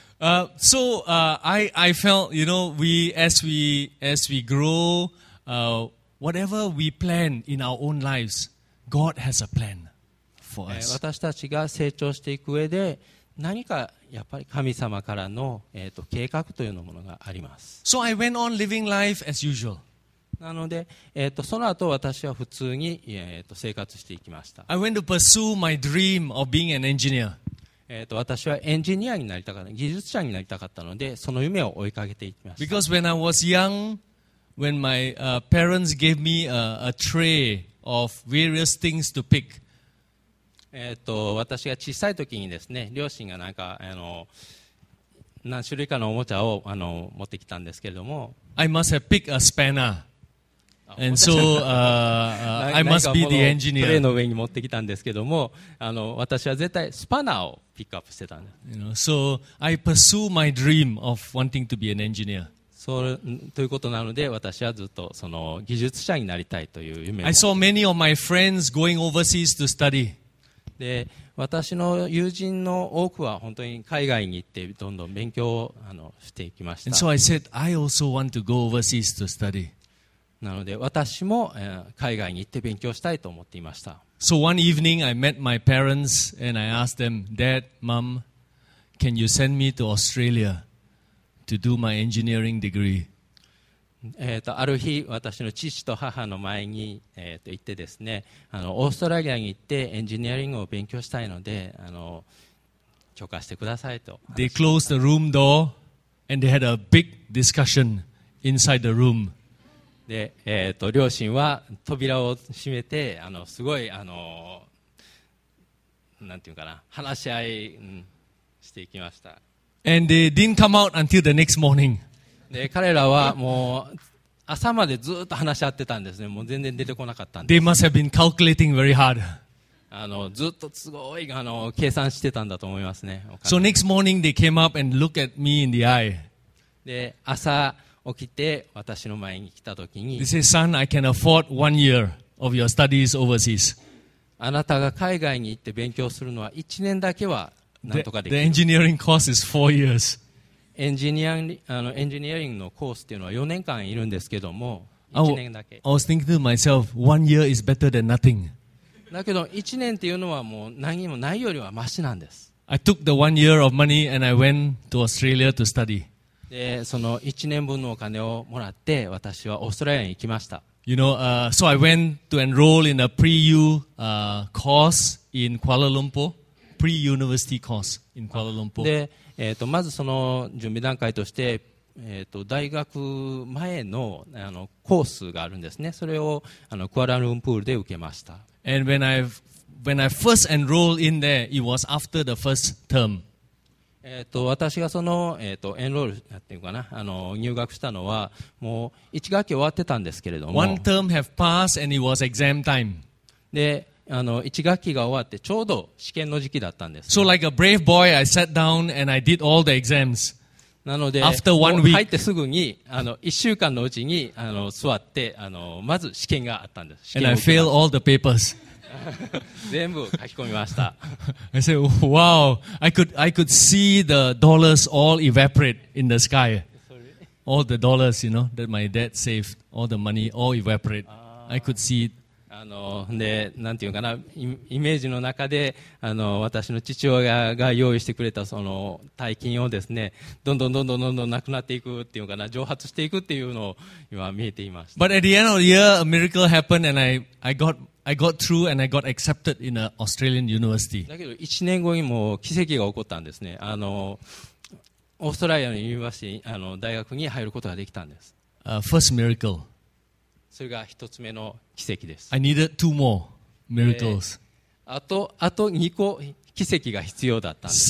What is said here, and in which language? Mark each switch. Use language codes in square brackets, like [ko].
[en] So, I felt, you know, as we grow, whatever we plan in our own lives, God has a plan for us. [ja] 私たちが成長していく上で何かやっぱり神様からの、計画というのものがあります。 [en] So I went on living life as usual. [ja] なので、その後私は普通に、生活していきました。 [en] I went to pursue my dream of being an engineer. [ja] 私はエンジニアになりたかった、技術者になりたかったので、その夢を追いかけていきました。 [en] Because when I was young, when my parents gave me a tray of various things to pick. [ja] 私が小さい時にですね、両親がなんか何種類かのおもちゃを持ってきたんですけれども、 [en] I must have picked a spanner, and so I must be the engineer. [ja] トレーの上に持ってきたんですけれども、私は絶対スパナーをピックアップしてたんです。 [en] You know, so I pursue my dream of wanting to be an engineer. [ja] そうということなので、私はずっとその技術者になりたいという夢を。 [en] I saw many of my friends going overseas to study. [ja] で私の友人の多くは本当に海外に行ってどんどん勉強をしていきました。 [en] And so I said, I also want to go overseas to study. [ja] なので私も、海外に行って勉強したいと思っていました。 [en] So one evening I met my parents and I asked them, Dad, Mom, can you send me to Australia to do my engineering degree? [ja] ある日私の父と母の前に、行ってですねオーストラリアに行ってエンジニアリングを勉強したいので許可してくださいと。 [en] They closed the room door and they had a big discussion inside the room. [ja] で、両親は扉を閉めてすごいなんていうかな話し合い、していきました。 [en] And they didn't come out until the next morning. [ja] で彼らはもう朝までずっと話し合ってたんですね。もう全然出てこなかったんです。 [en] They must have been calculating very hard. [ja] ずっとすごい計算してたんだと思いますね。 [en] So next morning they came up and looked at me in the eye. [ja] で朝起きて私の前に来た時に、 [en] They say, son, I can afford 1 year of your studies overseas. [ja] あなたが海外に行って勉強するのは1年だけはなんとかできる。 [en] The engineering course is 4 years. [ja] エンジニアリングのコースっていうのは4年間いるんですけども、1年だけ。 [en] I was thinking to myself, 1 year is better than nothing. [ja] だけど1年っていうのはもう何もないよりはマシなんです。 [en] I took the 1 year of money and I went to Australia to study. [ja] で、その1年分のお金をもらって私はオーストラリアに行きました。 [en] You know, so I went to enroll in a pre-U course in Kuala Lumpur, pre-university course in Kuala Lumpur. [ja] でまずその準備段階として、大学前 の, コースがあるんですね。それをクアラルンプールで受けました。 [en] And when I first enrolled in there, it was after the first term. [ja] 私がその、エンロールっていうかな入学したのはもう1学期終わってたんですけれども。 [en] One term have passed and it was exam time. [ja] で1学期が終わってちょうど試験の時期だったんです、ね。 [en] So like a brave boy, I sat down and I did all the exams. [ja] なので、 [en] After one week. [ja] 入ってすぐに1週間のうちに座ってまず試験があったんです。 And I failed all the papers. 全部書き込みました。 [en] I said, wow, I could see the dollars all evaporate in the sky. All the dollars, you know, that my dad saved, all the money, all evaporate. I could see it. [ja] でなんていうかなイメージの中で私の父親が用意してくれたその大金をですねどんどんどんどんどんどんなくなっていくっていうかな蒸発していくっていうのを今見えていました。 [en] But at the end of the year, a miracle happened and I got through and I got accepted in an Australian university. [ja] だけど1年後にも奇跡が起こったんですね。オーストラリアのユニバーシティ大学に入ることができたんです。 [en] First miracle. [ja] それが一つ目の奇跡です。 [en] I needed two more miracles. [ja] あと2個奇跡が必要だったんです。